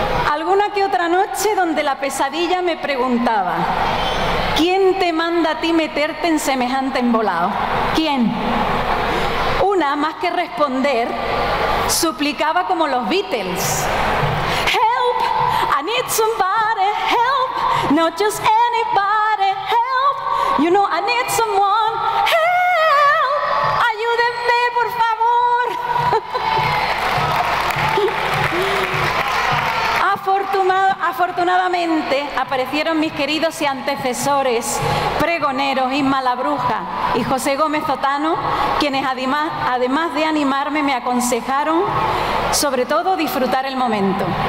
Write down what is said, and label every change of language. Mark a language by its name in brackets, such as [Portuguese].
[Spanish] Alguna que otra noche donde la pesadilla me preguntaba, ¿quién te manda a ti meterte en semejante embolado? ¿Quién? Nada más que responder, suplicaba como los Beatles. [English] Help, I need somebody, help, not just anybody, help, you know I need someone, help, [Spanish] ayúdenme por favor. Afortunadamente aparecieron mis queridos y antecesores, pregoneros, Inma la Bruja y José Gómez Otano, quienes además de animarme me aconsejaron sobre todo disfrutar el momento.